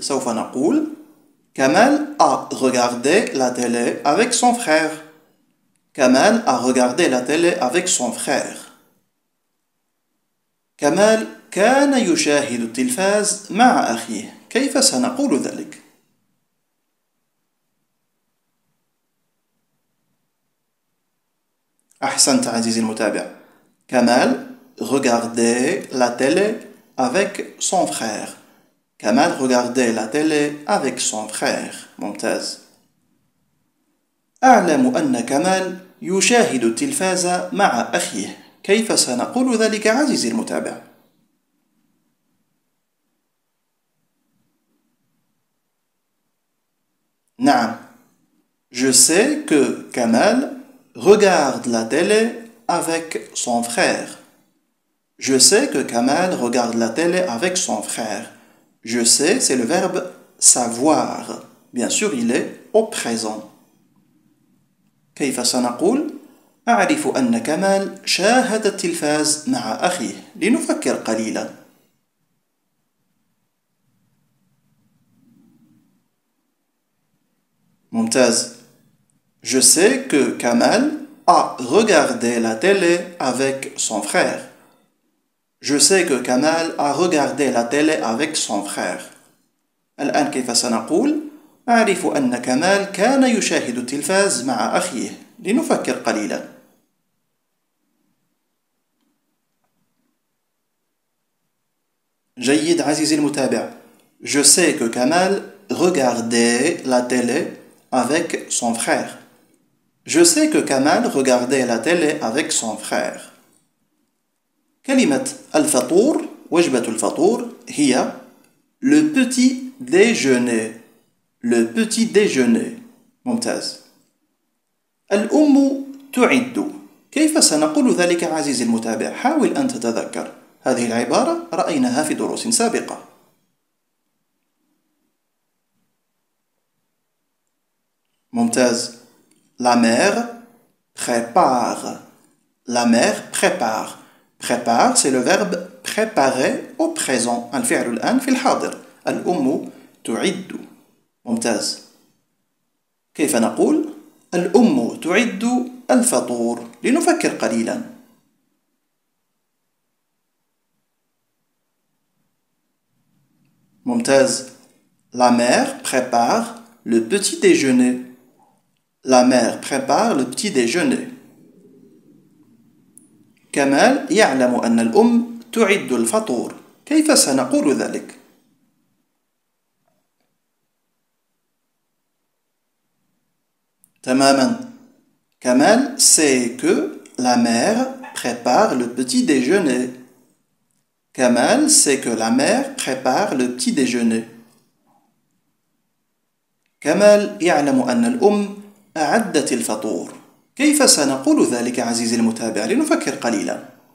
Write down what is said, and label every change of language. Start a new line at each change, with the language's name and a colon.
Arabic: سوف نقول
French: كمال a regardé la télé avec son frère. كمال a regardé la télé avec son frère.
Arabic: كمال كان يشاهد التلفاز مع أخيه. كيف سنقول ذلك؟ أحسنت عزيزي المتابع.
French: كمال regardé la télé avec son frère. كمال regardé la télé avec son frère.
Arabic: ممتاز. أعلم أن كمال يشاهد التلفاز مع أخيه. كيف سنقول ذلك عزيزي المتابع؟ نعم.
French: Je sais que Kamal regarde la télé avec son frère. Je sais que Kamal regarde la télé avec son frère. Je sais, c'est le verbe savoir. Bien sûr, il est au présent.
Arabic: كيف سنقول أعرف أن كمال شاهد التلفاز مع أخيه، لنفكر قليلا. ممتاز.
French: Je sais que Kamal a regardé la télé avec son frère. Je sais que Kamal a regardé la télé avec son frère.
Arabic: الآن كيف سنقول؟ أعرف أن كمال كان يشاهد التلفاز مع أخيه، لنفكر قليلا. جيد عزيزي المتابع.
French: Je sais que Kamal regardait la télé avec son frère. Je sais que Kamal regardait la télé avec son frère.
Arabic: كلمة الفطور، وجبة الفطور، هي
French: le petit déjeuner. Le petit déjeuner.
Arabic: ممتاز. الأم تعد. كيف سنقول ذلك عزيزي المتابع؟ حاول أن تتذكر. هذه العبارة رأيناها في دروس سابقة. ممتاز.
French: La mère prépare. La mère prépare. Prépare, c'est le verbe préparer au présent.
Arabic: الفعل الآن في الحاضر. الأم تعد. ممتاز. كيف نقول؟ الأم تعد الفطور. لنفكر قليلا. ممتاز.
French: La mère prépare le petit déjeuner. La mère prépare le petit déjeuner.
Arabic: كمال يعلم أن الأم تعد الفطور. كيف سنقول ذلك؟ تماما.
French: كمال sait que la mère prépare le petit déjeuner. كمال sait que la mère prépare le petit déjeuner.
Arabic: كمال يعلم أن الأم أعدت الفطور. كيف سنقول ذلك عزيزي المتابع؟ لنفكر قليلا.